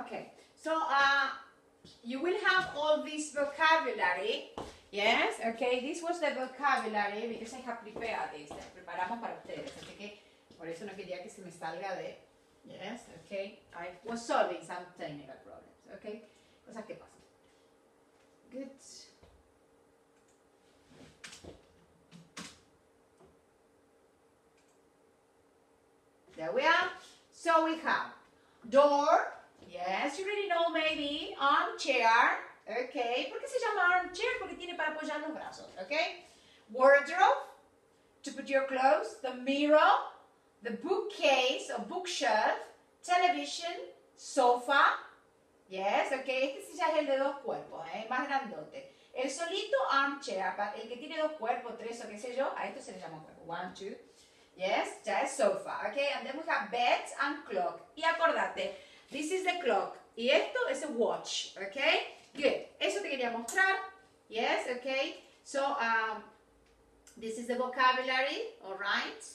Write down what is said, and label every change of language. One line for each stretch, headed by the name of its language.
English: Okay, so you will have all this vocabulary. Yes, okay, this was the vocabulary because I have prepared this.
Spanish: Preparamos para ustedes, así que por eso no quería que se me salga de.
English: Yes, okay, I was solving some technical problems.
Spanish: Okay, cosas que pasan. Good.
English: There we are. So we have door. Yes, you already know maybe.
Spanish: Armchair. Okay. ¿Por qué se llama armchair? Porque tiene para apoyar los brazos.
English: Okay. Wardrobe. To put your clothes. The mirror. The bookcase or bookshelf. Television. Sofa. Yes, okay.
Spanish: Este sí ya es el de dos cuerpos, ¿eh? Más grandote. El solito armchair. El que tiene dos cuerpos, tres o qué sé yo. A esto se le llama cuerpo.
English: One, two. Yes, just sofa, okay, and then we have bed and clock.
Spanish: Y acordate,
English: this is the clock,
Spanish: y esto es
English: a watch, okay? Good,
Spanish: eso te quería mostrar,
English: yes, okay? So, this is the vocabulary, all right?